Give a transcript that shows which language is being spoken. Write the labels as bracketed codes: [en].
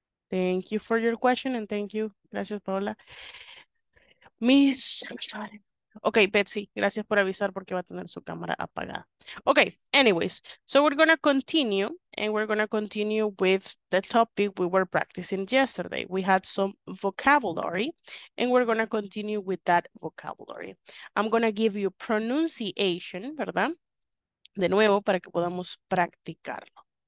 [en] Thank you for your question and thank you. [es] Gracias, Paola. Miss... Ok, Betsy, gracias por avisar porque va a tener su cámara apagada. [en] Ok, anyways, so we're going to continue and we're going to continue with the topic we were practicing yesterday. We had some vocabulary and we're going to continue with that vocabulary. I'm going to give you pronunciation, [es] ¿verdad? De nuevo, para que podamos practicarlo.